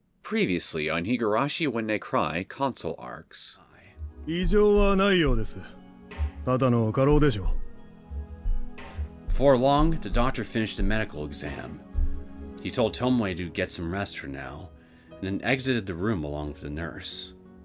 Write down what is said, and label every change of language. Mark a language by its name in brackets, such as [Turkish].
[English] Previously on Higurashi when they cry console arcs. [Japanese] 異常はないようです。ただの過労でしょう。 [English] Before long, the doctor finished the medical exam. He told Tomoe to get some rest for now, and then exited the room along with the nurse.